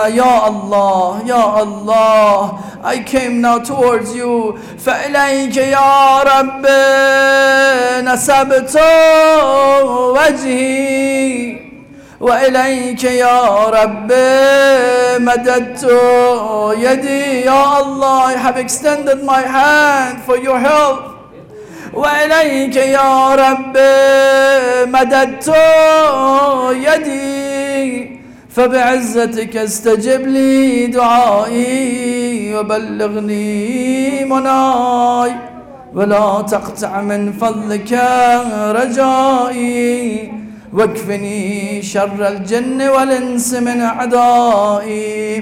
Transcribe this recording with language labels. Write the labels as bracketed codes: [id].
[ar] يا الله يا الله, [en] I came now towards you. [ar] فإليك يا رب نسبت وجهي وإليك يا رب مددت يدي. يا الله, [en] I have extended my hand for your help. [ar] وإليك يا رب مددت يدي فبعزتك استجب لي دعائي وبلغني مناي ولا تقطع من فضلك رجائي واكفني شر الجن والإنس من أعدائي.